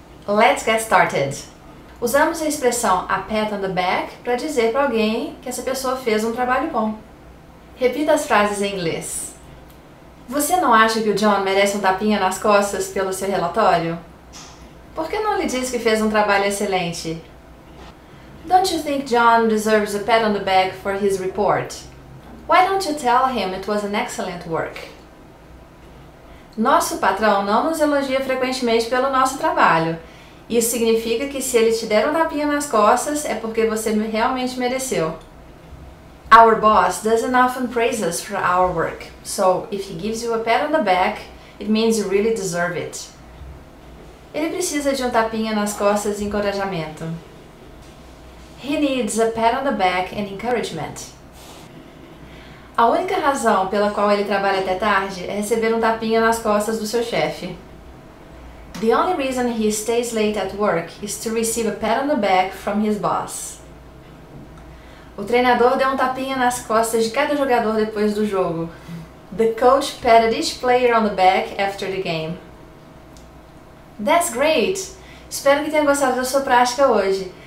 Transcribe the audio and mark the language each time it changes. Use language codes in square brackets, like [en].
[en] Let's get started! [pt] Usamos a expressão [en] a pat on the back [pt] para dizer para alguém que essa pessoa fez um trabalho bom. Repita as frases em inglês. Você não acha que o John merece um tapinha nas costas pelo seu relatório? Por que não lhe diz que fez um trabalho excelente? [en] Don't you think John deserves a pat on the back for his report? Why don't you tell him it was an excellent work? [pt] Nosso patrão não nos elogia frequentemente pelo nosso trabalho. Isso significa que se ele te der um tapinha nas costas, é porque você realmente mereceu. [en] Our boss doesn't often praise us for our work, so if he gives you a pat on the back, it means you really deserve it. [pt] Ele precisa de um tapinha nas costas e encorajamento. [en] He needs a pat on the back and encouragement. [pt] A única razão pela qual ele trabalha até tarde é receber um tapinha nas costas do seu chefe. [en] The only reason he stays late at work is to receive a pat on the back from his boss. [pt] O treinador deu um tapinha nas costas de cada jogador depois do jogo. [en] The coach patted each player on the back after the game. That's great! [pt] Espero que tenha gostado da sua prática hoje.